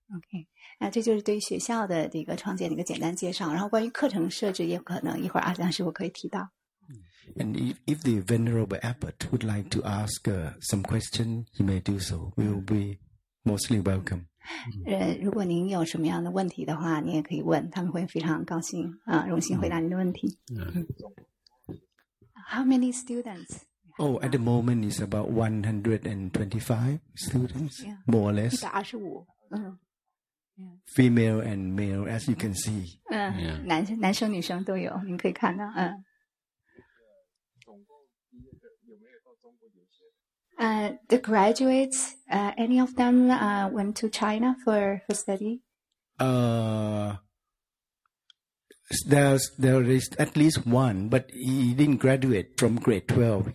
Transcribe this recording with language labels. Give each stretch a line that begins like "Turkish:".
Chinese: Okay, 这就是对于学校的这个创建的一个简单介绍。然后关于课程设置，也可能一会儿阿江师傅可以提到。
English: And if the venerable abbot would like to ask some question, he may do so. We will be mostly welcome.
Chinese: 如果您有什么样的问题的话，你也可以问，他们会非常高兴啊，荣幸回答您的问题。
English: How many students? Oh, at the moment it's about 125 students, yeah, more or less. 125. Female and male, as you can see.
Chinese: 男生女生都有，您可以看到。总共有没有到中国留学？
English: The graduates, any of them went to China for study? There is at least one, but he didn't graduate from grade 12.